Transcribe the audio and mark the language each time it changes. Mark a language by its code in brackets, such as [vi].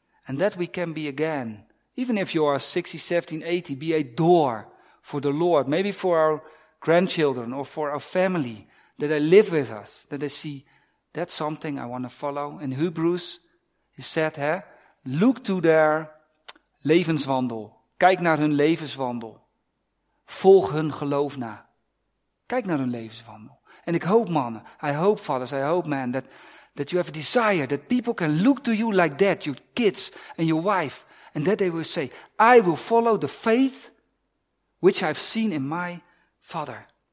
[en] And that we can be again, even if you are 60, 17, 80, be a door for the Lord. Maybe for our grandchildren or for our family, that they live with us, that they see, that's something I want to follow. In Hebrews, he said, look to their levenswandel. [nl] Kijk naar hun levenswandel. Volg hun geloof na. Kijk naar hun levenswandel. En ik hoop mannen, [en] I hope fathers, I hope men, that you have a desire, that people can look to you like that, your kids and your wife, and that they will say, I will follow the faith which I've seen in my father.